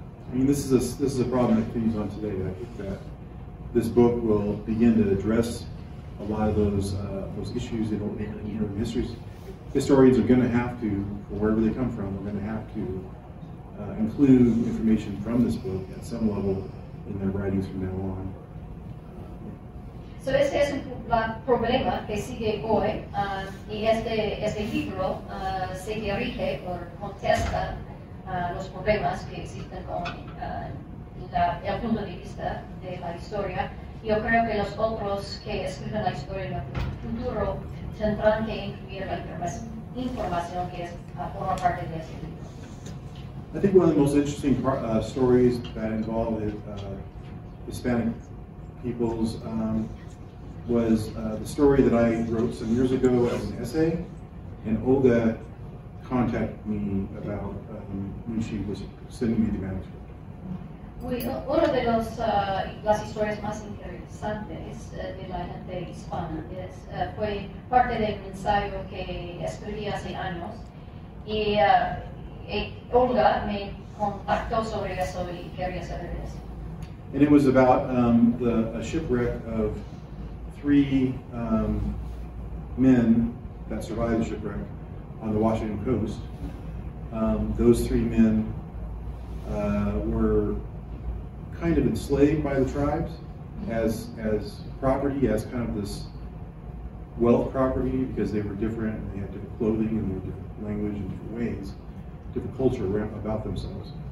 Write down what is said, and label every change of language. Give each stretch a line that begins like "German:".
English: I mean, this is a problem that continues on today. I think that this book will begin to address a lot of those issues in American histories. Historians are going to have to, from wherever they come from, are going to have to include information from this book at some level in their writings from now on.
Spanish: So este es un problema que sigue hoy, y este libro se dirige o contesta los problemas que existen con el punto de vista de la historia. Yo creo que los otros que escriben la historia en el futuro tendrán que incluir la información que forma parte de este libro.
English: I think one of the most interesting stories that involved Hispanic peoples was the story that I wrote some years ago as an essay, and Olga contacted me about when she was sending me the manuscript.
Spanish: Una de las historias más interesantes de la gente hispana fue parte de un ensayo que escribí hace años, y Olga me contactó sobre eso y quería saber eso.
English: And it was about a shipwreck of three men that survived the shipwreck on the Washington coast. Those three men were kind of enslaved by the tribes as property, as kind of this wealth property, because they were different, and they had different clothing, and they were different language and different ways, different culture about themselves.